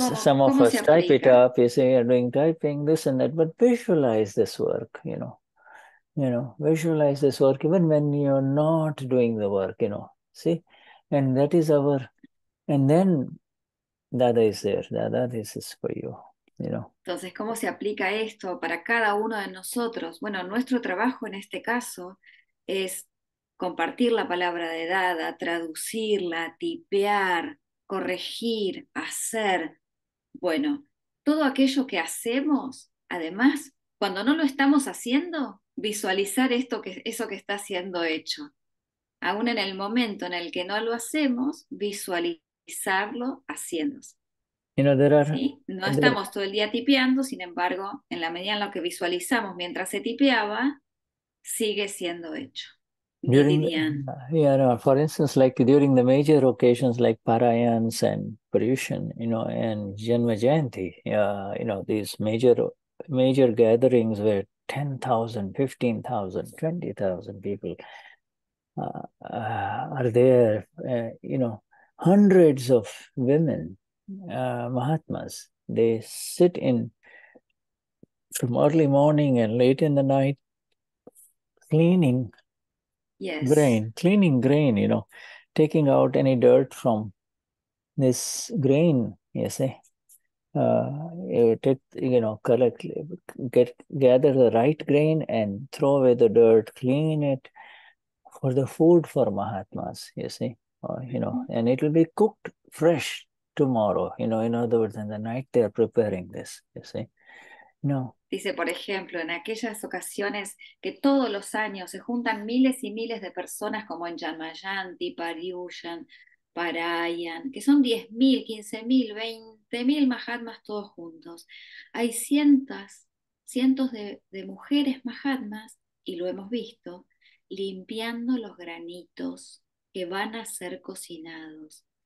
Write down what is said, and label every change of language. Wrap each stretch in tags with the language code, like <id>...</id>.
<en>Some of us type it up, you're doing typing, this and that, but visualize this work, visualize this work even when you're not doing the work, see? And that is our, and then Dada is there, Dada, this is for you,</en> <es>Entonces, ¿cómo se aplica esto para cada uno de nosotros? Bueno, nuestro trabajo en este caso es compartir la palabra de Dada, traducirla, tipear, corregir, hacer. Bueno, todo aquello que hacemos, además, cuando no lo estamos haciendo, visualizar esto que, eso que está siendo hecho. Aún en el momento en el que no lo hacemos, visualizarlo haciéndose. ¿Sí? No estamos todo el día tipeando, sin embargo, en la medida en la que visualizamos mientras se tipeaba, sigue siendo hecho.</es> <en>For instance, like during the major occasions like Parayans and Parishan, and Janma Jayanti, these major gatherings where 10,000, 15,000, 20,000 people are there, hundreds of women, Mahatmas, they sit in from early morning and late in the night cleaning. Yes. Grain, cleaning grain, taking out any dirt from this grain, gather the right grain and throw away the dirt, clean it for the food for Mahatmas, and it will be cooked fresh tomorrow, in other words, in the night they are preparing this, No.</en> <es>Dice, por ejemplo, en aquellas ocasiones que todos los años se juntan miles y miles de personas como en Yamayanti, Paryushan, Parayan, que son 10.000, 15.000, 20.000 mahatmas todos juntos. Hay cientos de mujeres mahatmas, y lo hemos visto, limpiando los granitos que van a ser cocinados.</es>